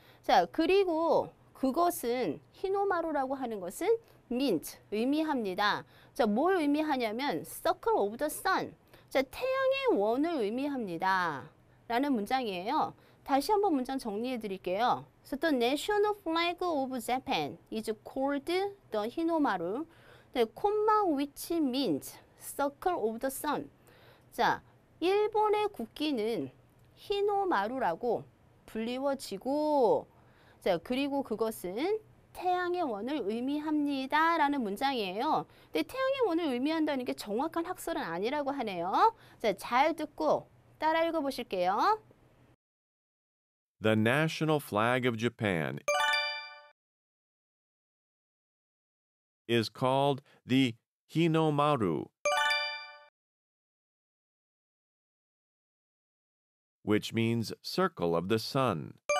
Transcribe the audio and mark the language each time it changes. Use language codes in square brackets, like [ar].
[ko] 자 그리고 그것은 히노마루라고 하는 것은 means 의미합니다. 자, 뭘 의미하냐면 circle of the sun. 자, 태양의 원을 의미합니다. 라는 문장이에요. 다시 한번 문장 정리해 드릴게요. [en] So the national flag of Japan is called the Hinomaru. 네, comma which means circle of the sun. [ko] 자, 일본의 국기는 히노마루라고 불리워지고 자, 그리고 그것은 태양의 원을 의미합니다. 라는 문장이에요. 근데 태양의 원을 의미한다는 게 정확한 학설은 아니라고 하네요. 자, 잘 듣고 따라 읽어 보실게요. [en] The national flag of Japan is called the Hinomaru, which means circle of the sun.